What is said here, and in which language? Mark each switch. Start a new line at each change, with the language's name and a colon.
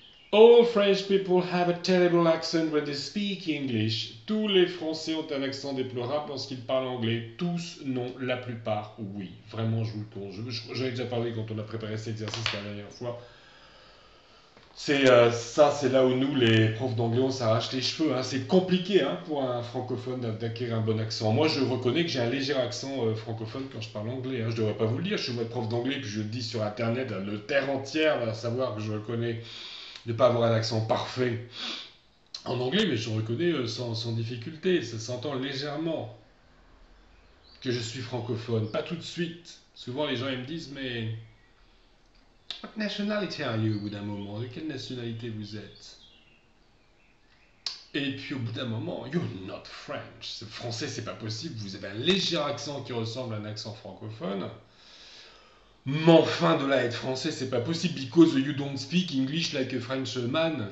English: All French people have a terrible accent when they speak English.
French: Tous les Français ont un accent déplorable lorsqu'ils parlent anglais. Tous, non, la plupart, oui. Vraiment, je vous le conseille. J'en ai déjà parlé quand on a préparé cet exercice la dernière fois. Ça, c'est là où nous, les profs d'anglais, on s'arrache les cheveux. Hein. C'est compliqué hein, pour un francophone d'acquérir un bon accent. Moi, je reconnais que j'ai un léger accent francophone quand je parle anglais. Hein. Je ne devrais pas vous le dire. Je suis votre prof d'anglais, puis je le dis sur Internet, hein, la terre entière va savoir que je reconnais ne pas avoir un accent parfait en anglais, mais je reconnais sans difficulté. Ça s'entend légèrement que je suis francophone. Pas tout de suite. Souvent, les gens, ils me disent, mais.
English: What nationality are you
French: au bout d'un moment? De quelle nationalité vous êtes? Et puis au bout d'un moment,
English: you're not French.
French: C'est français, c'est pas possible. Vous avez un léger accent qui ressemble à un accent francophone. Mais enfin, de là être français, c'est pas possible.
English: Because you don't speak English like a Frenchman.